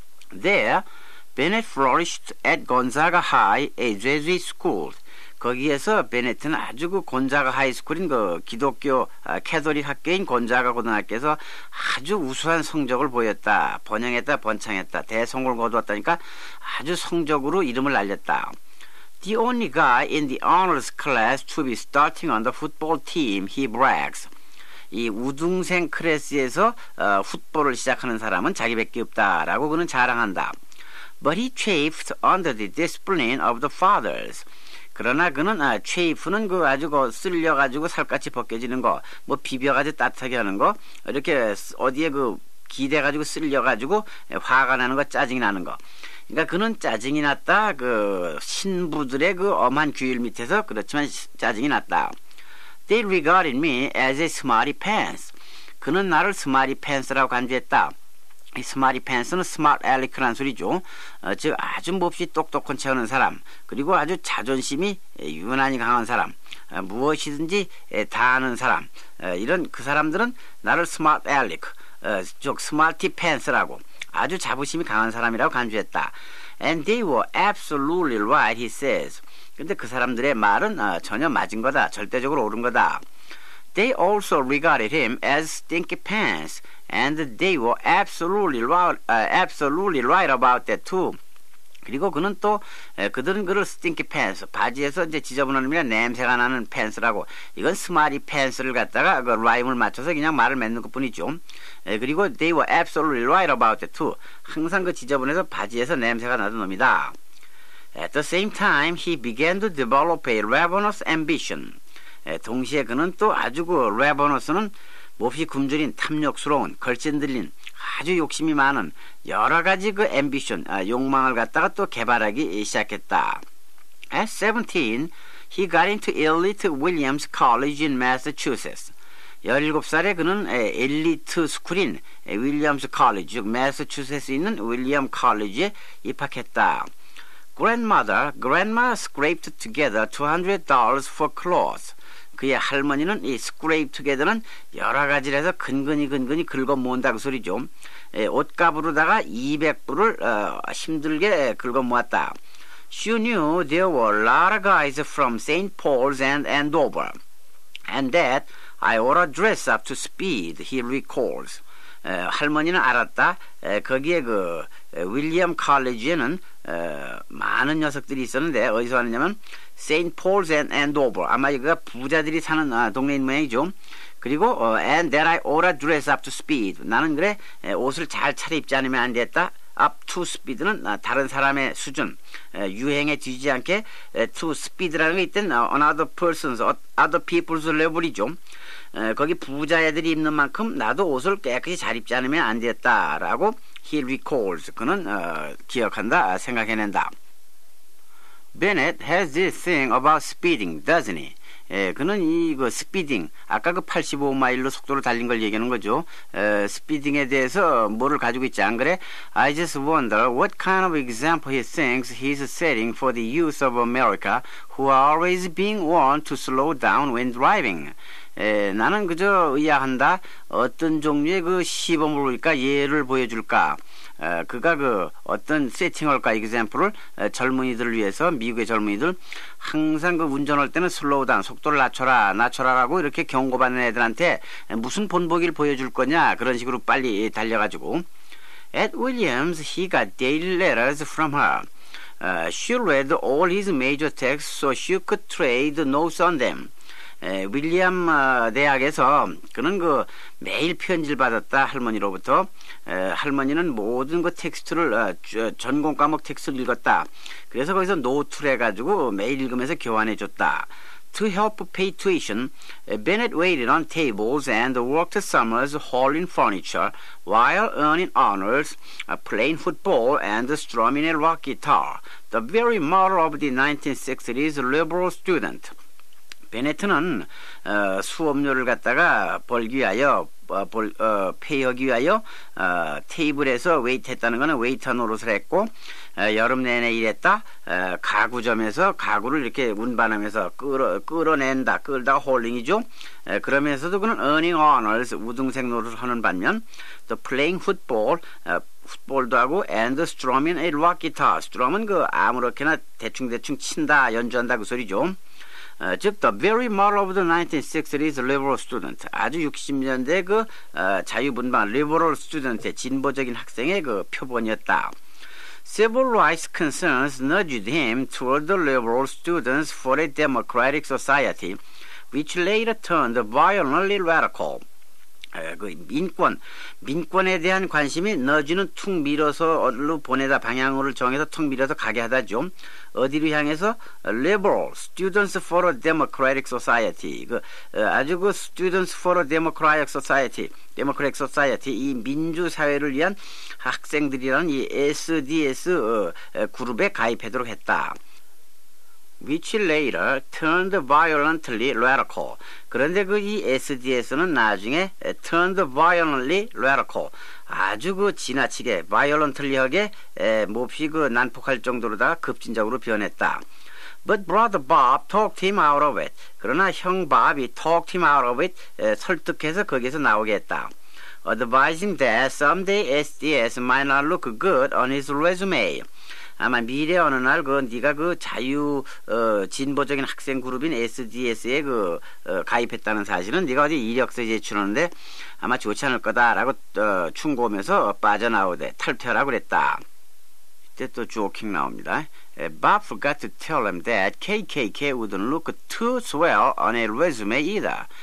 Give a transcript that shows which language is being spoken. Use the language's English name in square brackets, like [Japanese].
[English] There, Bennett flourished at Gonzaga High, a Jesuit school. [Korean] 거기에서 베네트는 아주 그 곤자가 하이스쿨인 그 기독교 캐톨릭 학교인 곤자가 고등학교에서 아주 우수한 성적을 보였다. 번영했다, 번창했다. 대성공을 거두었다니까 아주 성적으로 이름을 날렸다. [English] The only guy in the honors class to be starting on the football team, he brags. [Korean] 이 우등생 클래스에서 풋볼을 시작하는 사람은 자기밖에 없다라고 그는 자랑한다. [English] But he chafed under the discipline of the fathers. [Korean] 그러나 그는 chafe는 그 아주 그 쓸려가지고 살갗이 벗겨지는 거, 뭐 비벼가지고 따뜻하게 하는 거, 이렇게 어디에 그 기대가지고 쓸려가지고 화가 나는 거, 짜증이 나는 거. 그러니까 그는 짜증이 났다. 그 신부들의 그 엄한 규율 밑에서 그렇지만 짜증이 났다. [English] They regarded me as a smarty pants. [Korean] 그는 나를 smarty pants라고 간주했다. smarty pants는 smart aleck란 소리죠. 즉 아주 몹시 똑똑한 체 하는 사람 그리고 아주 자존심이 유난히 강한 사람 무엇이든지 다 아는 사람 이런 그 사람들은 나를 smart aleck 즉 smarty pants라고 아주 자부심이 강한 사람이라고 간주했다. [English] And they were absolutely right, he says. [Korean] 근데 그 사람들의 말은 전혀 맞은 거다. 절대적으로 옳은 거다. [English] They also regarded him as stinky pants. And they were absolutely right about that too. [Korean] 그리고 그는 또 그들은 그를 stinky pants, 바지에서 이제 지저분한 의미가 냄새가 나는 pants라고 이건 smarty pants를 갖다가 그 라임을 맞춰서 그냥 말을 맺는 것뿐이죠. [English] 그리고 they were absolutely right about it too. [Korean] 항상 그 지저분해서 바지에서 냄새가 나던 놈이다. [English] At the same time, he began to develop a ravenous ambition. [Korean] 동시에 그는 또 아주 그 ravenous는 몹시 굶주린 탐욕스러운 걸친들린 아주 욕심이 많은 여러 가지 그 ambition 욕망을 갖다가 또 개발하기 시작했다. [English] At 17, he got into Elite Williams College in Massachusetts. [Korean] 17살에 그는 엘리트 스쿨인 윌리엄스 칼리지, 즉 매사추세츠에 있는 윌리엄 칼리지에 입학했다. [English] Grandma scraped together $200 for clothes. [Korean] 그의 할머니는 이 scrape together는 여러 가지를 해서 근근히 긁어 모은다 그 소리죠. 옷값으로다가 200불을 힘들게 긁어 모았다. [English] She knew there were a lot of guys from St. Paul's and Andover. And that I ought to dress up to speed, he recalls. [Korean] 할머니는 알았다. 거기에 그 윌리엄 칼리지에는 많은 녀석들이 있었는데 어디서 왔냐면 St. [English] Paul's and Andover. [Korean] 아마 이거 부자들이 사는 동네인 모양이죠. 그리고 [English] and that I ought to dress up to speed. [Korean] 나는 그래 옷을 잘 차려입지 않으면 안 됐다. up to speed는 다른 사람의 수준, 유행에 뒤지지 않게 to speed라는 게 있던 [English] another person's, other people's level [Korean] 이죠. 거기 부자 애들이 입는 만큼 나도 옷을 깨끗이 잘 입지 않으면 안 되었다라고 [English] he recalls. [Korean] 그는 기억한다, 생각해낸다. [English] Bennett has this thing about speeding, doesn't he? [Korean] 예, 그는 이그 스피딩, 아까 그 85마일로 속도를 달린 걸 얘기하는 거죠. 스피딩에 대해서 뭐를 가지고 있지, 안 그래? [English] I just wonder what kind of example he thinks he's setting for the youth of America who are always being warned to slow down when driving. [Korean] 예, 나는 그저 의아한다. 어떤 종류의 그 시범을 볼까, 예를 보여줄까? 그가 그 어떤 세팅할까, 이그잼플을 젊은이들을 위해서, 미국의 젊은이들 항상 그 운전할 때는 슬로우다운, 속도를 낮춰라 낮춰라라고 이렇게 경고받는 애들한테 무슨 본보기를 보여줄 거냐, 그런 식으로 빨리 달려가지고. [English] At Williams he got daily letters from her. She read all his major texts so she could trade notes on them. [Korean] 윌리엄 대학에서 그는 그 매일 편지를 받았다, 할머니로부터. 할머니는 모든 그 텍스트를, 전공 과목 텍스트를 읽었다. 그래서 거기서 노트를 해가지고 매일 읽으면서 교환해 줬다. [English] To help pay tuition, Bennett waited on tables and worked summers hauling furniture while earning honors, playing football and strumming a rock guitar. The very model of the 1960s liberal student. [Korean] 베네트는 수업료를 갖다가 벌기 위하여, 페이하기 위하여 테이블에서 웨이트했다는 것은 웨이터 노릇을 했고, 여름 내내 일했다. 가구점에서 가구를 이렇게 운반하면서 끌어낸다. 끌다가 홀링이죠. 그러면서도 그는 [English] earning honors, [Korean] 우등생 노릇을 하는 반면, [English] the playing football, [Korean] 풋볼도 하고, [English] and strumming a rock guitar. [Korean] strum은 그 아무렇게나 대충대충 친다, 연주한다, 그 소리죠. [English] 즉 the very model of the 1960s liberal student. [Korean] 아주 60년대 그 자유분방 liberal student의 진보적인 학생의 그 표본이었다. [English] Civil rights concerns nudged him toward the liberal students for a democratic society, which later turned violently radical. [Korean] 그 민권에 대한 관심이 너지는 퉁 밀어서 어디로 보내다, 방향으로 정해서 퉁 밀어서 가게 하다죠. 어디로 향해서? Liberal Students for a Democratic Society. 그 아주 그 Students for a Democratic Society, Democratic Society, 이 민주사회를 위한 학생들이라는 이 SDS 그룹에 가입하도록 했다. [English] Which later turned violently radical. [Korean] 그런데 그 이 SDS는 나중에 [English] turned violently radical. [Korean] 아주 그 지나치게 violently하게 몹시 그 난폭할 정도로 다 급진적으로 변했다. [English] But brother Bob talked him out of it. [Korean] 그러나 형 Bob이 talked him out of it, 설득해서 거기에서 나오게 했다. [English] Advising that someday SDS might not look good on his resume. [Korean] 아마 미래 어느 날 그 네가 그 자유 진보적인 학생 그룹인 SDS에 그 가입했다는 사실은 네가 어디 이력서 제출하는데 아마 좋지 않을 거다라고 충고하면서 빠져나오되 탈퇴하라고 그랬다. 이때 또 조킹 나옵니다. [English] Bob forgot to tell him that KKK wouldn't look too swell on a resume either.